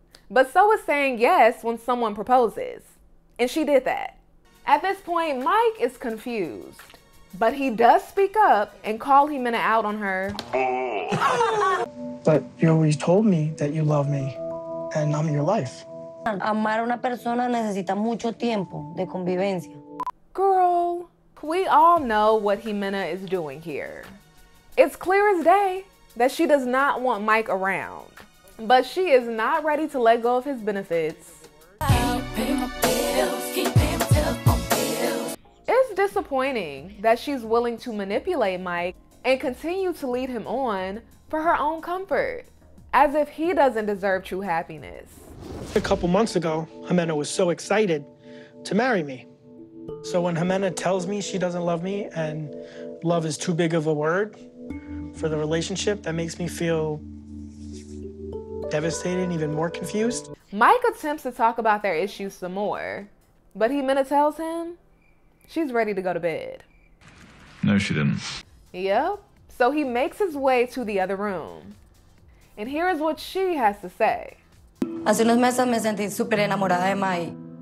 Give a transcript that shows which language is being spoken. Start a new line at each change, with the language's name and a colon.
English: But so is saying yes when someone proposes. And she did that. At this point, Mike is confused, but he does speak up and call Ximena out on her. But you always told me that you love me and I'm your life.
Spanish: Amar a una persona necesita mucho tiempo de convivencia.
English: Girl. We all know what Ximena is doing here. It's clear as day that she does not want Mike around, but she is not ready to let go of his benefits. It's disappointing that she's willing to manipulate Mike and continue to lead him on for her own comfort, as if he doesn't deserve true happiness. A couple months ago, Ximena was so excited to marry me. So when Ximena tells me she doesn't love me and love is too big of a word for the relationship, that makes me feel devastated and even more confused. Mike attempts to talk about their issues some more, but Ximena tells him she's ready to go to bed. No, she didn't. Yep. So he makes his way to the other room. And here is what she has to say.
Spanish: Hace unos meses me sentí super enamorada de Mike.